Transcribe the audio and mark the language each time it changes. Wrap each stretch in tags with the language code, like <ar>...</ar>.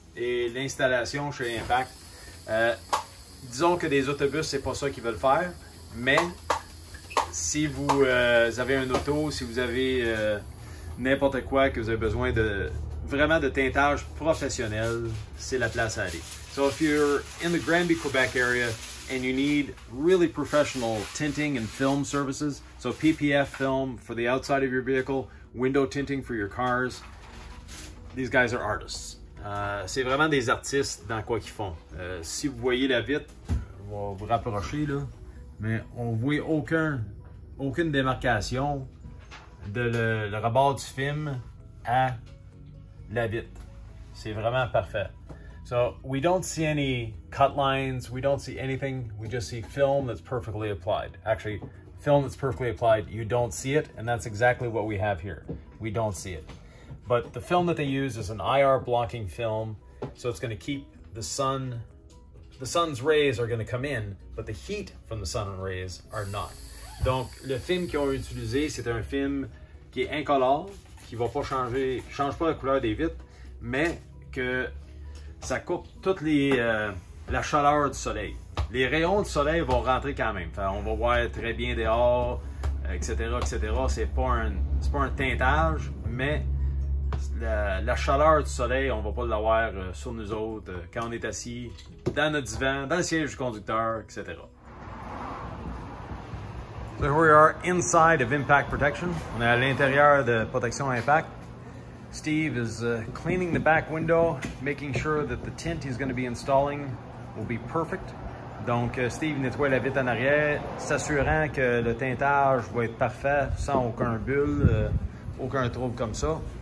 <fr>Et l'installation chez Impact, disons que des autobus, c'est pas ça qu'ils veulent faire, mais si vous avez un auto, si vous avez n'importe quoi, que vous avez besoin de... vraiment de teintage professionnel, c'est la place à aller.</fr> <en>So if you're in the Granby, Quebec area and you need really professional tinting and film services, so PPF film for the outside of your vehicle, window tinting for your cars, these guys are artists.</en> <fr>C'est vraiment des artistes dans quoi qu'ils font. Si vous voyez la vitre, on va vous rapprocher là, mais on voit aucune démarcation de le rebord du film à la vitre. C'est vraiment parfait.</fr> <en>So we don't see any cut lines. We don't see anything. We just see film that's perfectly applied. Actually, film that's perfectly applied, you don't see it. And that's exactly what we have here. We don't see it. But the film that they use is an IR blocking film. So it's going to keep the sun. The sun's rays are going to come in, but the heat from the sun rays are not.</en> <fr>Donc, le film qu'ils ont utilisé, c'est un film qui est incolore, qui ne va pas changer, change pas la couleur des vitres, mais que ça coupe toute la chaleur du soleil. Les rayons du soleil vont rentrer quand même. Enfin, on va voir très bien dehors, etc., etc. C'est pas un teintage, mais la chaleur du soleil, on ne va pas l'avoir sur nous autres quand on est assis dans notre divan, dans le siège du conducteur, etc.</fr> <en>So here we are inside of Impact Protection.</en> <fr>On est à l'intérieur de Protection Impact.</fr> <en>Steve is cleaning the back window, making sure that the tint he's going to be installing will be perfect.</en> <fr>Donc Steve nettoie la vitre en arrière, s'assurant que le teintage va être parfait, sans aucun bulle, aucun trouble comme ça.</fr>